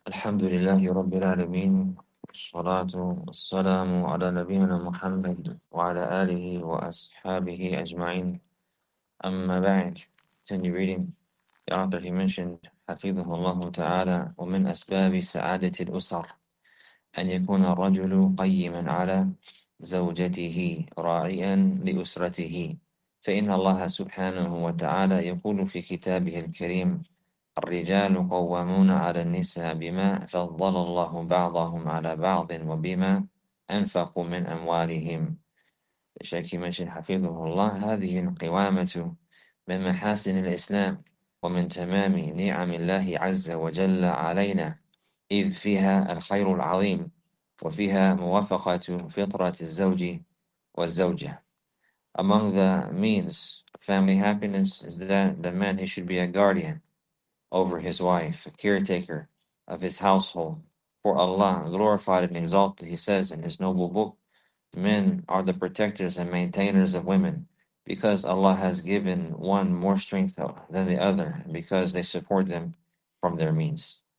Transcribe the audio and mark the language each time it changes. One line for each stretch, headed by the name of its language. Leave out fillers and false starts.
Arabic: الحمد لله رب العالمين، والصلاة والسلام على نبينا محمد وعلى آله وأصحابه أجمعين. أما بعد، continue reading. The author, he mentioned, حفظه الله تعالى، ومن أسباب سعادة الأسر أن يكون الرجل قيما على زوجته راعيا لأسرته، فإن الله سبحانه وتعالى يقول في كتابه الكريم: الرجال قوامون على النساء بما فضل الله بعضهم على بعض وبما أنفقوا من أموالهم. الشيخ يمشي حفظه الله، هذه القوامة من محاسن الإسلام ومن تمام نعم الله عز وجل علينا، إذ فيها الخير العظيم وفيها موافقة فطرة الزوج والزوجة.
English: Among the means of family happiness is that the man, he should be a guardian over his wife, a caretaker of his household, for Allah glorified and exalted, he says in his noble book, men are the protectors and maintainers of women, because Allah has given one more strength than the other, because they support them from their means.